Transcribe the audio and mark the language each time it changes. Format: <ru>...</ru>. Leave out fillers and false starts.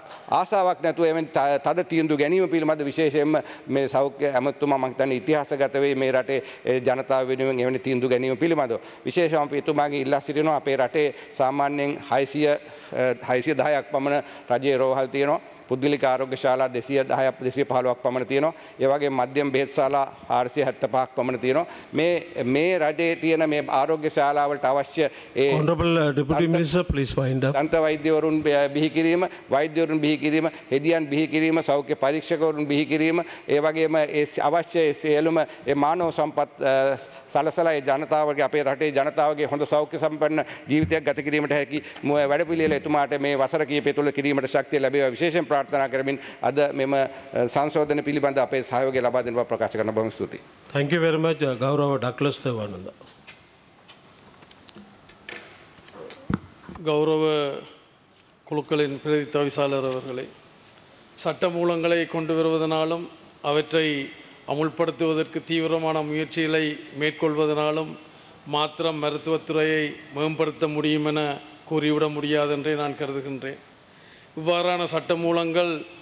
<si>ආසාවක් නැතුව එමෙන් තද තීන්දුව ගැනීම පිළිබඳ විශේෂයෙන්ම මේ සෞඛ්‍ය අමාත්‍යතුමා මම හිතන්නේ ඉතිහාසගත වෙයි මේ රටේ ජනතාව වෙනුවෙන් එවැනි තීන්දුව ගැනීම පිළිබඳව විශේෂයෙන් අපි එතුමාගේ ඉල්ලා සිටිනවා අපේ රටේ සාමාන්‍යයෙන් 610ක් පමණ රජයේ රෝහල් තියෙනවා පුද්ගලික ආරෝග්‍ය ශාලා 210ක් 215ක් පමණ තියෙනවා ඒ වගේ මධ්‍යම බෙහෙත් ශාලා 475ක් පමණ තියෙනවා මේ රටේ තියෙන මේ ආරෝග්‍ය ශාලා වලට අවශ්‍ය</si> <en>ඒ honorable deputy minister please wind up</en> <si>දන්ත වෛද්‍යවරුන් බිහි කිරීම වෛද්‍යවරුන් බිහි කිරීම හෙදියන් බිහි කිරීම සෞඛ්‍ය පරීක්ෂකවරුන් බිහි කිරීම ඒ වගේම ඒ අවශ්‍ය සියලුම ඒ මානව සම්පත් සලසලා ඒ ජනතාවගේ අපේ රටේ ජනතාවගේ හොඳ සෞඛ්‍ය සම්පන්න ජීවිතයක් ගත කිරීමට හැකි වැඩපිළිවෙළ එතුමාට මේ වසර කීපය තුළ කිරීමට ශක්තිය ලැබේවා විශේෂයෙන් ප්‍රාර්ථනා කරමින් අද මෙම සංශෝධන පිළිබඳ අපේ සහයෝගය ලබා දෙන බව ප්‍රකාශ කරන බව ස්තුතියි.</si> <en>Thank you very much ගෞරව ඩග්ලස් දේවානන්ද.</en> <ta>ගෞරව කුලකලින් ප්‍රදීප්ත විශාලර අවர்களே சட்டமூலங்களை கொண்டு வருவதனாலும் அவற்றை அமுல்படுத்துவதற்கு தீவிரமான முயற்சிகளை மேற்கொள்வதனாலும் மாத்திரம் மருத்துவத்துறையை மேம்படுத்த முடியுமென கூறிவிட முடியாதென்றே நான் கருதுகின்றேன் இவ்வாறான சட்டமூலங்கள்</ta>